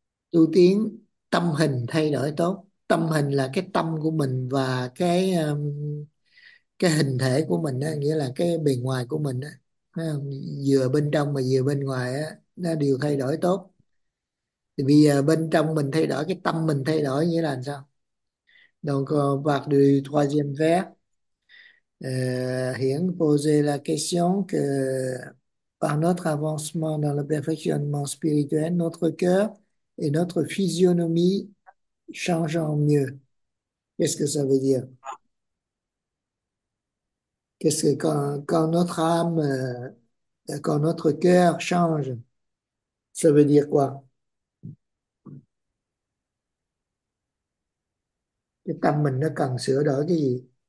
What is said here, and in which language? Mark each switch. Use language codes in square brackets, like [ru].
[vi] Tu tiến tâm hình thay đổi tốt. Tâm hình là cái tâm của mình và cái hình thể của mình đó, nghĩa là cái bề ngoài của mình đó. Vừa bên trong mà vừa bên ngoài á, nó đều thay đổi tốt. Thì bây giờ bên trong mình thay đổi, cái tâm mình thay đổi nghĩa là làm sao? [fr] Donc, vạc du troisième vers. Hiện poser la question que par notre avancement dans le perfectionnement spirituel, notre cœur et notre physionomie changent en mieux. Qu'est-ce que ça veut dire? Qu'est-ce que quand notre âme, quand notre cœur change, ça veut dire quoi? [vi] Tâm mình nó cần sửa đổi cái gì?